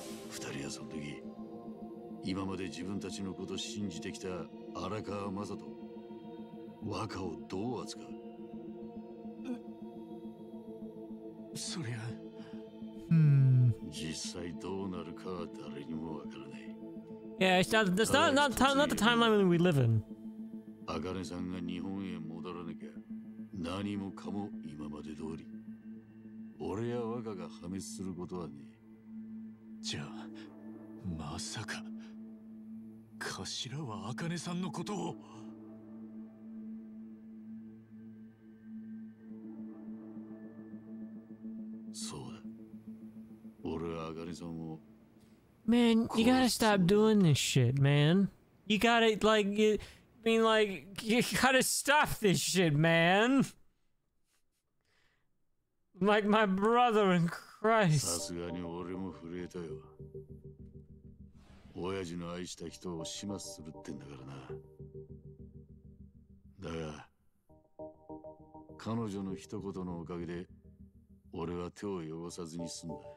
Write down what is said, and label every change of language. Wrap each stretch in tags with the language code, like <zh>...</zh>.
<ja>二人はその時、今まで自分たちのことを信じてきた荒川雅人、若をどう扱う？そりゃ、実際どうなるかは誰にもわからない。</ja> <en>Yeah, it's not the timeline we live in.</en> <ja>茜さんが日本へ戻らなきゃ、何もかも今まで通り。俺や若が破滅することはね。じゃあ、まさか頭は茜さんのことを。そうだ、俺は茜さんを。</ja> <en>Man, you gotta stop doing this shit, man. You gotta, like, you, I mean, like, you gotta stop this shit, man. Like my brother in Christ.</en> <ja>さすがに俺も震えたよ。親父の愛した人を始末するってんだからな。だが、彼女の一言のおかげで、俺は手を汚さずに済んだ。</ja>